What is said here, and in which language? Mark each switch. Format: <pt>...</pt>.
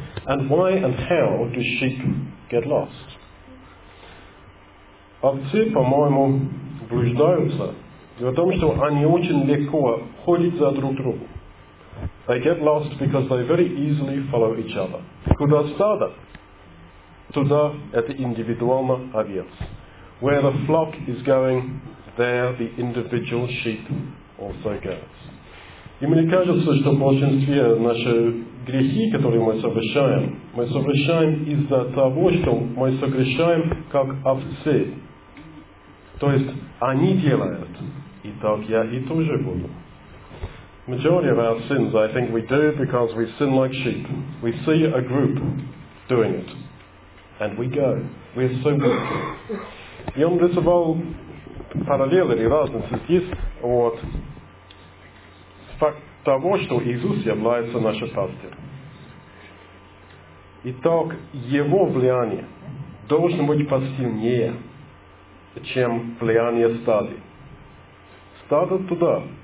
<en>And why and how do sheep get lost?</en> <ru>Овцы, по-моему, блуждаются в том, что они очень легко ходят за друг другом.</ru> <en>They get lost because they very easily follow each other.</en> <ru>Куда стадо? Туда это индивидуально овец.</ru> <en>Where the flock is going, there the individual sheep also goes.</en> <ru>И мне кажется, что в большинстве наши грехи, которые мы совершаем из-за того, что мы согрешаем как овцы. То есть они делают, и так я и тоже буду.</ru> <en>Majority of our sins, I think, we do because we sin like sheep. We see a group doing it, and we go. We are so guilty.</en> <ru>И он рисовал параллель или разницу здесь, вот. Факт того, что Иисус является нашим пастырем. Итак, Его влияние должно быть посильнее, чем влияние стада. Стадо туда.</ru>